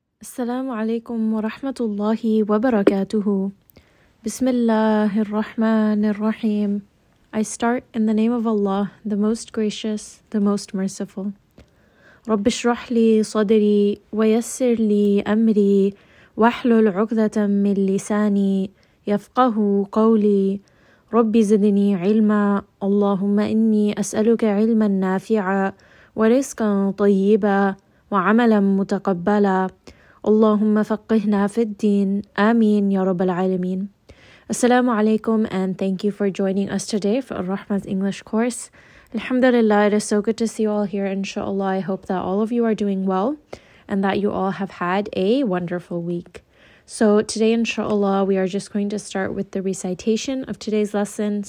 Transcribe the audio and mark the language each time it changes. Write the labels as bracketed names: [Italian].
[Arabic] السلام عليكم ورحمة الله وبركاته. بسم الله الرحمن الرحيم. [English] I start in the name of Allah, the most gracious, the most merciful. [Arabic] رب اشرح لي صدري ويسر لي أمري واحلل عقدة من لساني يفقه قولي رب زدني علما. اللهم إني أسألك علما نافعا ورزقا طيبا وعملا متقبلا. Allahumma faqihna fid din. Ameen ya rabbal alameen. [English] Assalamu alaikum and thank you for joining us today for Ar-Rahman's English course. Alhamdulillah, it is so good to see you all here, inshallah. I hope that all of you are doing well and that you all have had a wonderful week. So today, inshallah, we are just going to start with the recitation of today's lesson.